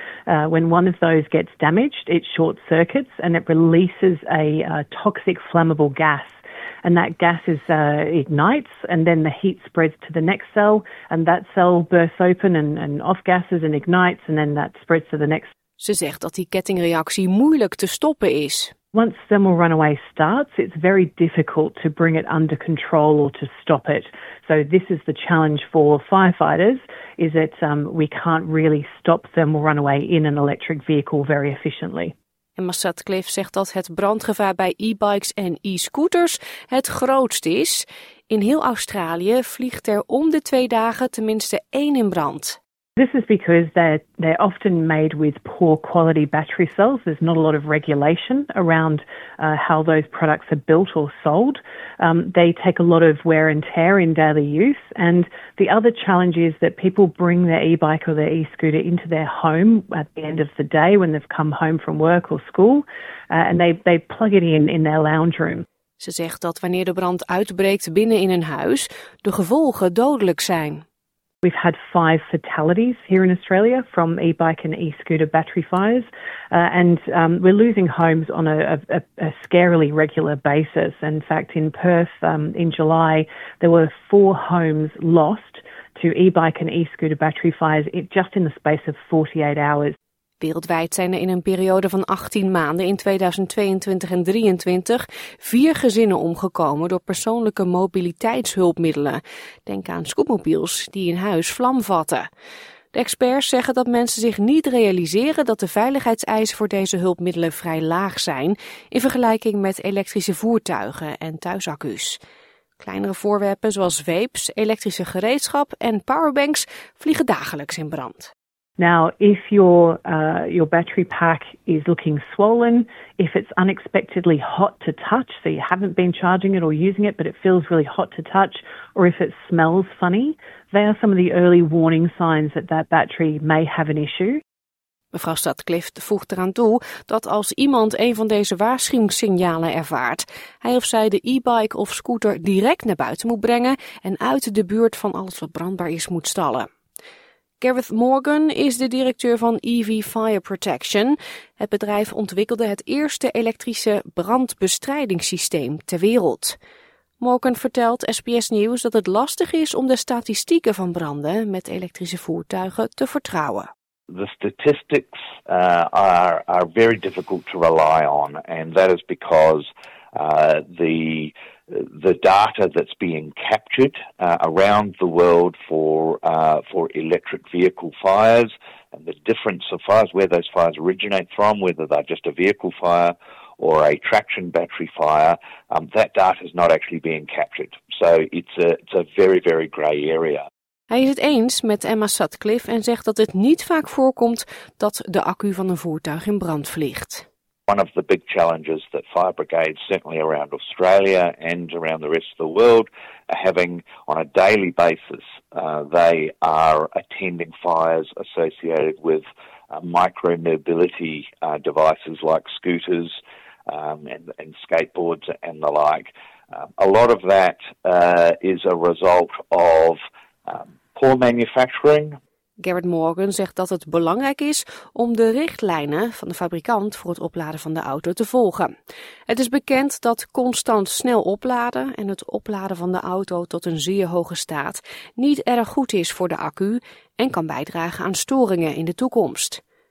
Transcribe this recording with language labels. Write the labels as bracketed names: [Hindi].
[English] When one of those gets damaged, it short circuits and it releases a toxic flammable gas. And that gas is ignites, and then the heat spreads to the next cell, and that cell bursts open and off gases and ignites, and then that spreads to the next. [Dutch] Ze zegt dat die kettingreactie moeilijk te stoppen is. [English] Once thermal runaway starts, it's very difficult to bring it under control or to stop it. So this is the challenge for firefighters, is that we can't really stop thermal runaway in an electric vehicle very efficiently. [Dutch] Emma Sutcliffe zegt dat het brandgevaar bij e-bikes en e-scooters het grootst is. In heel Australië vliegt er om de 2 dagen tenminste 1 in brand. [English] This is because they're often made with poor quality battery cells. There's not a lot of regulation around how those products are built or sold. They take a lot of wear and tear in daily use. And the other challenge is that people bring their e-bike or their e-scooter into their home at the end of the day when they've come home from work or school. And they plug it in their lounge room. [Dutch] Ze zegt dat wanneer de brand uitbreekt binnen in een huis, de gevolgen dodelijk zijn. [English] We've had 5 fatalities here in Australia from e-bike and e-scooter battery fires. And we're losing homes on a scarily regular basis. In fact, in Perth, in July, there were 4 homes lost to e-bike and e-scooter battery fires just in the space of 48 hours. [Dutch] Wereldwijd zijn er in een periode van 18 maanden in 2022 en 2023 vier gezinnen omgekomen door persoonlijke mobiliteitshulpmiddelen. Denk aan scootmobiels die in huis vlam vatten. De experts zeggen dat mensen zich niet realiseren dat de veiligheidseisen voor deze hulpmiddelen vrij laag zijn in vergelijking met elektrische voertuigen en thuisaccu's. Kleinere voorwerpen zoals vapes, elektrische gereedschap en powerbanks vliegen dagelijks in brand. [English] Now, if your battery pack is looking swollen, if it's unexpectedly hot to touch, so you haven't been charging it or using it, but it feels really hot to touch, or if it smells funny, they are some of the early warning signs that that battery may have an issue. [Dutch] Mevrouw Stadcliff voegt eraan toe dat als iemand een van deze waarschuwingssignalen ervaart, hij of zij de e-bike of scooter direct naar buiten moet brengen en uit de buurt van alles wat brandbaar is moet stallen. Gareth Morgan is de directeur van EV Fire Protection. Het bedrijf ontwikkelde het eerste elektrische brandbestrijdingssysteem ter wereld. Morgan vertelt SBS Nieuws dat het lastig is om de statistieken van branden met elektrische voertuigen te vertrouwen. [English] The statistics are very difficult to rely on, and that is because the data that's being captured around the world for electric vehicle fires and the difference of fires, where those fires originate from, whether they're just a vehicle fire or a traction battery fire, that data is not actually being captured. So it's a very, very grey area. [Dutch] Hij is het eens met Emma Sutcliffe en zegt dat het niet vaak voorkomt dat de accu van een voertuig in brand vliegt. [English] One of the big challenges that fire brigades, certainly around Australia and around the rest of the world, are having on a daily basis, they are attending fires associated with micro-mobility devices like scooters and skateboards and the like. A lot of that is a result of poor manufacturing. [Dutch] Gareth Morgan zegt dat het belangrijk is om de richtlijnen van de fabrikant voor het opladen van de auto te volgen. Het is bekend dat constant snel opladen en het opladen van de auto tot een zeer hoge staat niet erg goed is voor de accu en kan bijdragen aan storingen in de toekomst.